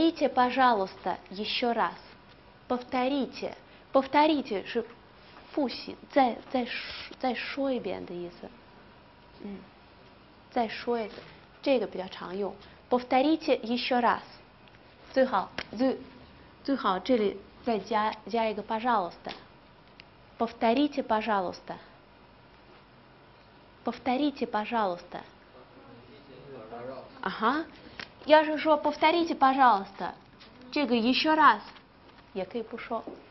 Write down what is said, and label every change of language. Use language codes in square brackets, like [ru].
[ru] пожалуйста, еще раз， повторите [zh] 是复习，再说一遍的意思。再说一次，这个比较常用。 [ru] Повторите еще раз， [zh] 最好这里再加一个 пожалуйста。 [ru] Повторите, пожалуйста。 Повторите, пожалуйста。 [zh] ага， 要是说 [ru] повторите, пожалуйста， [zh] 这个 [ru] еще раз， [zh] 也可以不说。